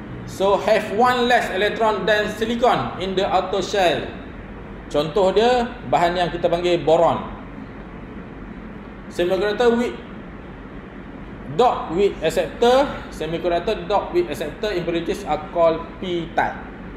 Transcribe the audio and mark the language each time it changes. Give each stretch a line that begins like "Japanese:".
English: So have one less electron than silicon in the outer shell.
Malay: Contoh dia bahan yang kita panggil boron.
English: Semiconductor with dock with acceptor, semiconductor dock with acceptor impurities are called p-type.